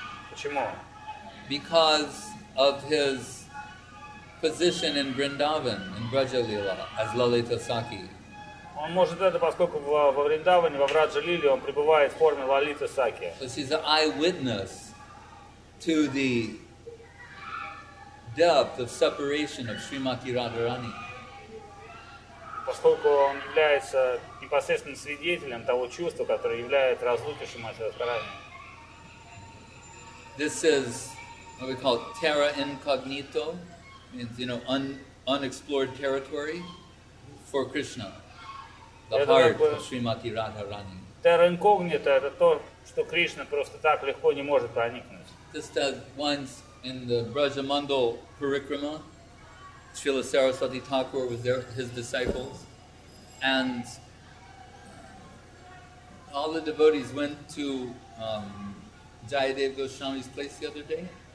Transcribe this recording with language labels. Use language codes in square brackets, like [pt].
[ru] Почему? [en] Because of his position in Vrindavan, in Braja Lila, as Lalita Sakhi. [ru] Он может это, поскольку во Вриндаване, во Враджа Лиле, он пребывает в форме Лалита Сакхи. [en] So she's an eyewitness to the depth of separation of Srimati Radharani. [ru] Поскольку он является непосредственным свидетелем того чувства, которое является разлукой Шримати Радхарани. [en] This is what we call terra incognito. Means, you know, unexplored territory for Krishna, the heart of Srimati Radharani. [ru] Terra incognita — это то, что Кришна просто так легко не может проникнуть. [en] Just as once in the Brajamandal Parikrama, Srila Saraswati Thakur was there, his disciples, and all the devotees went to Jayadev Goswami's place the other day.